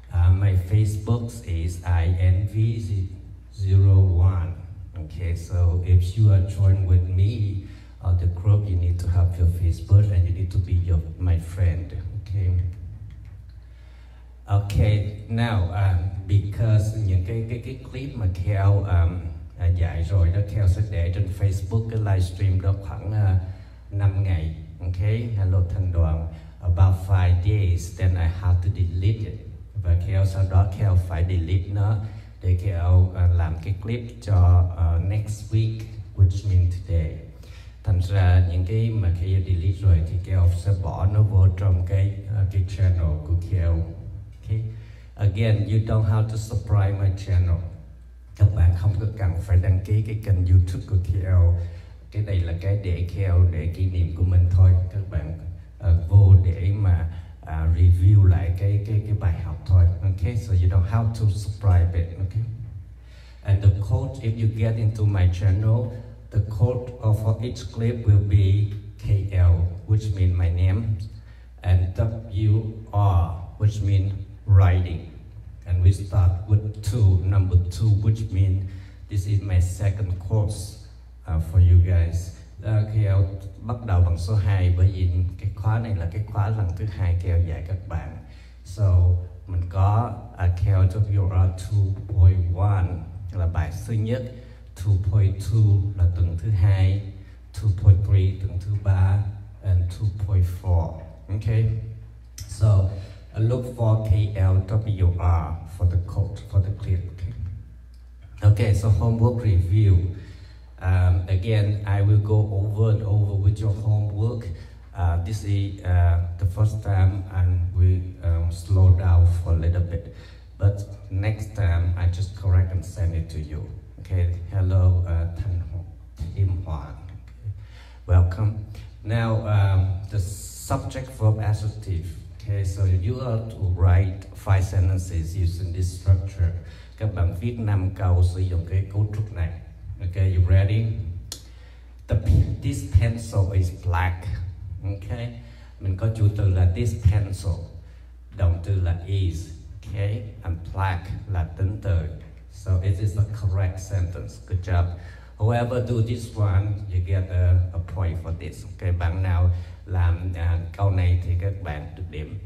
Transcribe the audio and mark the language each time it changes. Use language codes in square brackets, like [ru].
[en] My Facebook is INV01. Okay, so if you are joined with me on the group, you need to have your Facebook and you need to be my friend, okay? Okay, now because [vi] những cái clip mà Kel dạy rồi đó, Kel sẽ để trên Facebook cái live stream đó khoảng 5 ngày, okay? [en] Hello thành đoàn, about 5 days then I have to delete it. [vi] Và Kel sau đó Kel phải delete nó để Kel làm cái clip cho [en] next week, which means today. [vi] Thành ra những cái mà Kel delete rồi thì Kel sẽ bỏ nó vô trong cái channel của Kel. [en] Okay. Again, you don't have to subscribe my channel. [vi] Các bạn không có cần phải đăng ký cái kênh YouTube của KL. Cái này là cái để KL để kỷ niệm của mình thôi. Các bạn vô để mà review lại cái bài học thôi. [en] Okay, so you don't have to subscribe it. Okay. And the code, if you get into my channel, the code for each clip will be KL, which means my name, and WR, which means writing, and we start with number two, which means this is my second course for you guys. [vi] Kel bắt đầu bằng số 2 bởi vì cái khóa này là cái khóa lần thứ 2 Kel dạy các bạn. So mình có KLWR2.1 là bài thứ nhất, 2.2 là tuần thứ 2, 2.3 tuần thứ 3, and 2.4. [en] Okay, so look for KLWR for the code, for the clip. Okay, so homework review. Again, I will go over and over with your homework. This is the first time and we slow down for a little bit. But next time, I just correct and send it to you. Okay, hello, Tim Hoàng. Welcome. Now, the subject verb adjective. Okay, so you are to write 5 sentences using this structure. [vi] Các bạn viết 5 câu sử dụng cái cấu trúc này. [en] Okay, you ready? This pencil is black. Okay, [vi] mình có chủ từ là this pencil, động từ là is. Okay, and black là tính từ. [en] So it is the correct sentence. Good job. Whoever do this one, you get a point for this. [vi] Okay, bạn nào làm câu này thì các bạn được điểm.